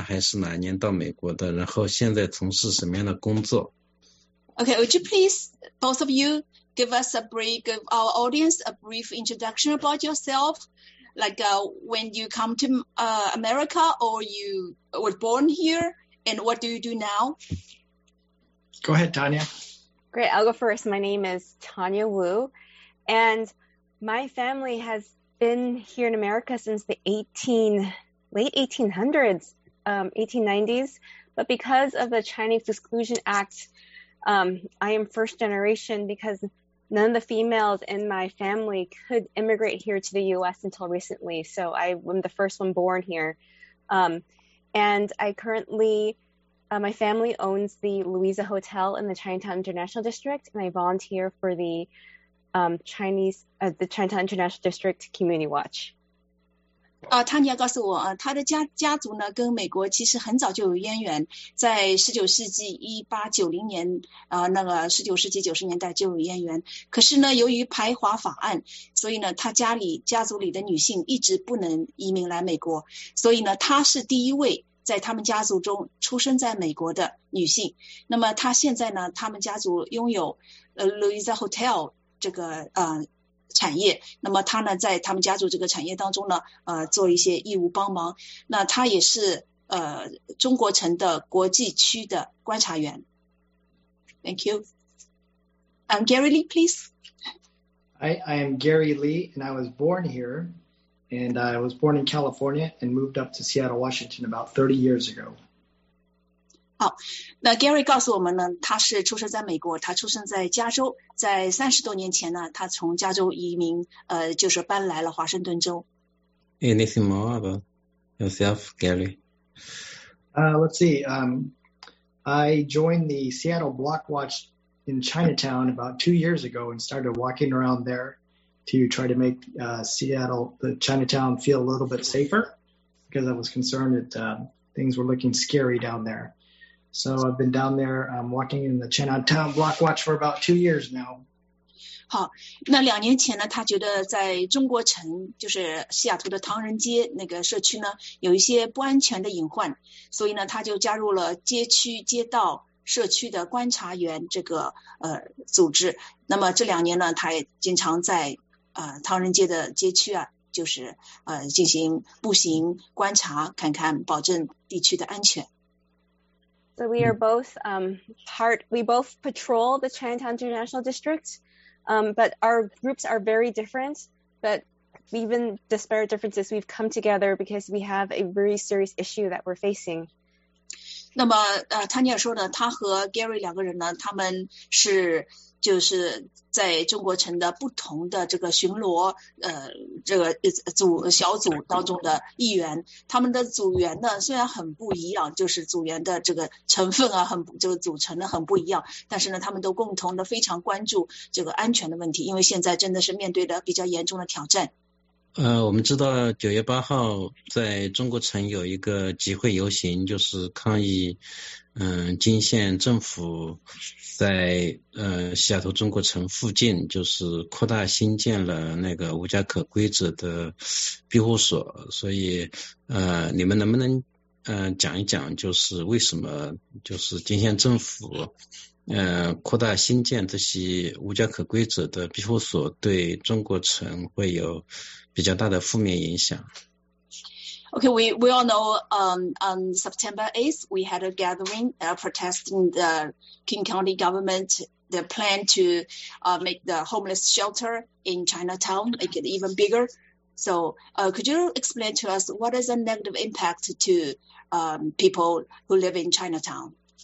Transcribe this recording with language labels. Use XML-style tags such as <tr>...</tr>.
<zh>还是哪年到美国的？然后现在从事什么样的工作</zh> <en>？Okay, would you please both of you give us a brief, give our audience a brief introduction about yourself, like when you come to America or you were born here, and what do you do now? Go ahead, Tanya. Great, I'll go first. My name is Tanya Wu, and my family has been here in America since the late 1800s, 1890s. But because of the Chinese Exclusion Act, I am first generation because none of the females in my family could immigrate here to the U.S. until recently. So I am the first one born here. And I currently, my family owns the Louisa Hotel in the Chinatown International District, and I volunteer for the Chinatown International District Community Watch.</en> <zh>Tanya 告诉我，他的 家族呢跟美国其实很早就有渊源，在19世纪1890年、那个19世纪90年代就有渊源，可是呢由于排华法案，所以呢他家族里的女性一直不能移民来美国，所以呢他是第一位在他们家族中出生在美国的女性。那么他现在呢他们家族拥有Louisa Hotel 这个产业，那么他呢在他们家族这个产业当中呢做一些义务帮忙，那他也是中国城的国际区的观察员。</zh> <en>Thank you. I'm Gary Lee, please. I am Gary Lee and I was born here and I was born in California and moved up to Seattle, Washington about 30 years ago.</en> <zh>好，那 Gary 告诉我们呢他是出生在美国，他出生在加州，在三十多年前呢他从加州移民就是搬来了华盛顿州。</zh> <en>Anything more about yourself, Gary? Let's see, I joined the Seattle Block Watch in Chinatown about 2 years ago and started walking around there to try to make the Chinatown feel a little bit safer because I was concerned that things were looking scary down there. So I've been down there, walking in the Chinatown Block Watch for about 2 years now.</en> <zh>好，那两年前呢，他觉得在中国城，就是西雅图的唐人街那个社区呢，有一些不安全的隐患，所以呢，他就加入了街区、街道、社区的观察员这个组织。那么这两年呢，他也经常在唐人街的街区啊，就是进行步行观察，看看保证地区的安全。</zh> <en>So we are both we both patrol the Chinatown International District, but our groups are very different. But even despite our differences, we've come together because we have a very serious issue that we're facing.</en> <zh>那么Tanya 说呢，他和 Gary 两个人呢，他们是就是在中国城的不同的这个巡逻这个组小组当中的一员，他们的组员呢虽然很不一样，就是组员的这个成分啊很这个组成的很不一样，但是呢他们都共同的非常关注这个安全的问题，因为现在真的是面对的比较严重的挑战。我们知道九月八号在中国城有一个集会游行，就是抗议金县政府在西雅图中国城附近就是扩大新建了那个无家可归者的庇护所，所以你们能不能讲一讲就是为什么就是金县政府扩大新建这些无家可归者的庇护所对中国城会有比较大的负面影响。</zh> <en>Okay, we all know on September 8th, we had a gathering protesting the King County government, the plan to make the homeless shelter in Chinatown, make it even bigger. So could you explain to us what is the negative impact to people who live in Chinatown?</en>